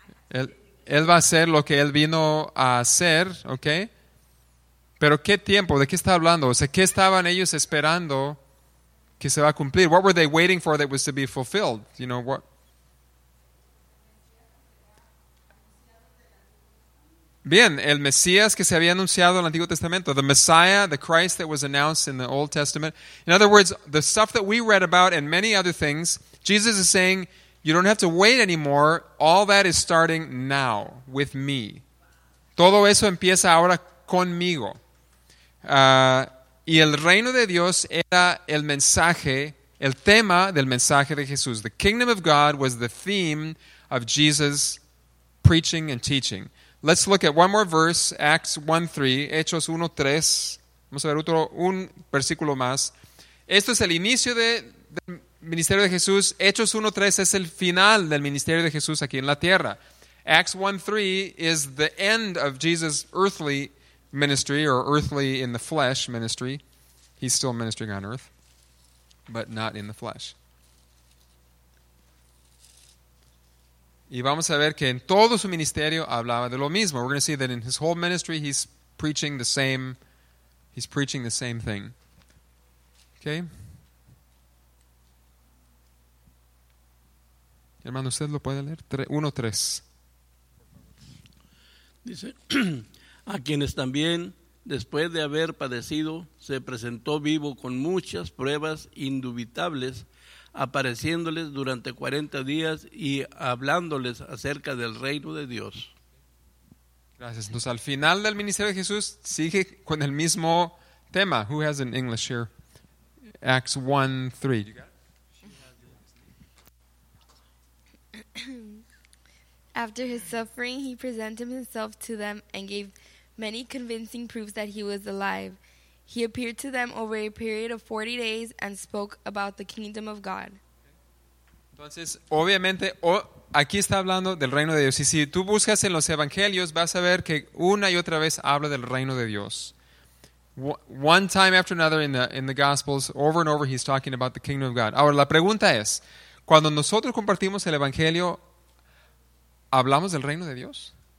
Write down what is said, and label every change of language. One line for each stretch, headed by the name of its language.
Spanish: Él va a hacer lo que él vino a hacer, okay. Pero ¿qué tiempo? ¿De qué está hablando? O sea, ¿qué estaban ellos esperando que se va a cumplir?
English: What were they waiting for that was to be fulfilled? You know what?
Spanish: Bien, el Mesías que se había anunciado en el Antiguo Testamento,
English: the Messiah, the Christ that was announced in the Old Testament. In other words, the stuff that we read about and many other things, Jesus is saying, you don't have to wait anymore. All that is starting now with me.
Spanish: Todo eso empieza ahora conmigo. Y el reino de Dios era el mensaje, el tema del mensaje de Jesús.
English: The kingdom of God was the theme of Jesus' preaching and teaching. Let's look at one more verse, Acts 1:3, Hechos 1:3.
Spanish: Vamos a ver otro un versículo más. Esto es el inicio del ministerio de Jesús. Hechos 1:3 es el final del ministerio de Jesús aquí en la tierra.
English: Acts 1:3 is the end of Jesus' earthly ministry, or earthly in the flesh ministry. He's still ministering on earth, but not in the flesh.
Spanish: Y vamos a ver que en todo su ministerio hablaba de lo mismo.
English: We're going to see that in his whole ministry he's preaching the same thing. Okay?
Spanish: Hermano, ¿usted lo puede leer? 1:3. Dice, a quienes también, después de haber padecido, se presentó vivo con muchas pruebas indubitables, apareciéndoles durante 40 días y hablándoles acerca del reino de Dios. Gracias. Entonces, al final del ministerio de Jesús, sigue con el mismo tema.
English: Who has in English here? Acts 1:3. After his suffering, he presented himself to them and gave many convincing proofs that he was alive. He appeared to them over a period of 40 days and spoke about the kingdom of God.
Spanish: Entonces, obviamente, aquí está hablando del reino de Dios. Y si tú buscas en los evangelios, vas a ver que una y otra vez habla del reino de Dios.
English: One time after another in the Gospels, over and over, he's talking about the kingdom of God.
Spanish: Ahora, la pregunta es, cuando nosotros compartimos el evangelio, ¿hablamos del reino de Dios?